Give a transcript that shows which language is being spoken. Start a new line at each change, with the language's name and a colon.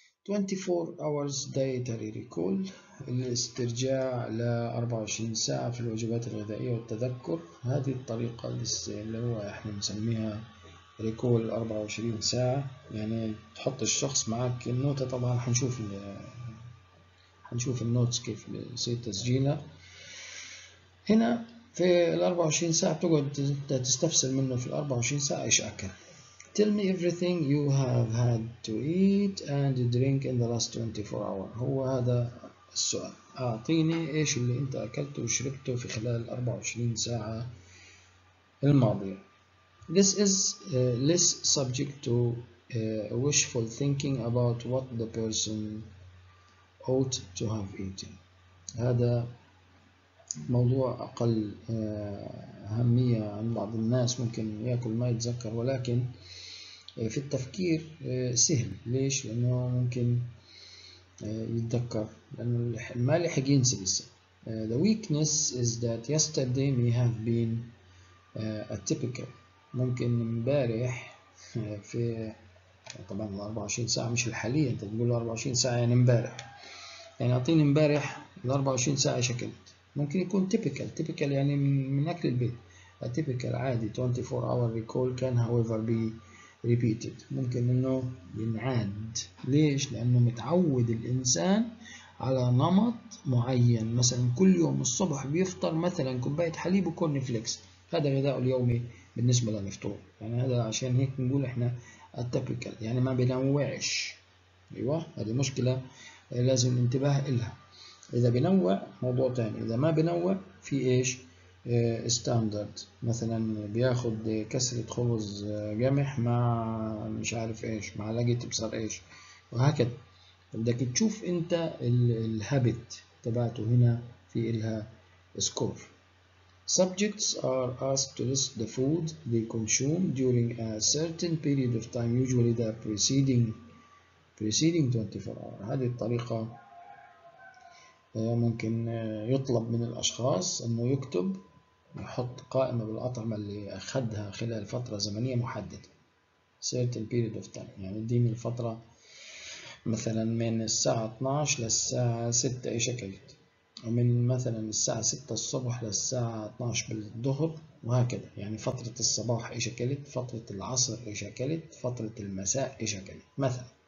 English: 24 hours dietary recall
Arabic: الاسترجاع ل 24 ساعة في الوجبات الغذائية والتذكر، هذه الطريقة اللي هو احنا نسميها ريكول 24 ساعة، يعني تحط الشخص معك النوتة، طبعا هنشوف هنشوف النوتس كيف بصير تسجيلها. هنا في ال 24 ساعة تقعد تستفسر منه في ال 24 ساعة ايش اكل.
English: Tell me everything you have had to eat and drink in the last 24 hours.
Arabic: هو هذا السؤال، اعطيني ايش اللي انت اكلته وشربته في خلال ال 24 ساعة الماضية.
English: This is less subject to wishful thinking about what the person ought to have eaten.
Arabic: هذا موضوع أقل أهمية عند بعض الناس، ممكن يأكل ما يتذكر، ولكن في التفكير سهل. ليش؟ لأنه ممكن يتذكر لأنه ما لحق ينسى لسه.
English: The weakness is that yesterday may have been a typical.
Arabic: ممكن امبارح في طبعا ال 24 ساعة مش الحالية، أنت تقول له 24 ساعة يعني امبارح، يعني اعطيني امبارح ال 24 ساعة شكلت، ممكن يكون typical. typical يعني من اكل البيت.
English: A typical
Arabic: عادي
English: 24 hour recall can however be repeated.
Arabic: ممكن انه ينعاد. ليش؟ لانه متعود الانسان على نمط معين، مثلا كل يوم الصبح بيفطر مثلا كوباية حليب وكورن فليكس، هذا غذائه اليومي بالنسبة للفطور، يعني هذا عشان هيك بنقول احنا A typical يعني ما بينوعش. ايوه هذه مشكلة لازم الانتباه إلها. إذا بنوع موضوع تاني، إذا ما بنوع في إيش؟ ستاندرد مثلا بياخد كسرة خبز قمح مع مش عارف إيش، معلقة بصل إيش، وهكذا. بدك تشوف أنت الهابت تبعته، هنا في إلها سكور.
English: Subjects are asked to list the food they consume during a certain period of time usually the preceding 24 hour.
Arabic: هذه الطريقة ممكن يطلب من الأشخاص أنه يكتب يحط قائمة بالأطعمة اللي أخذها خلال فترة زمنية محددة
English: certain period of time،
Arabic: يعني اديني الفترة مثلا من الساعة 12 للساعة 6 إيش أكلت، أو من مثلا الساعة 6 الصبح للساعة 12 بالظهر وهكذا، يعني فترة الصباح إيش أكلت، فترة العصر إيش أكلت، فترة المساء إيش أكلت مثلا.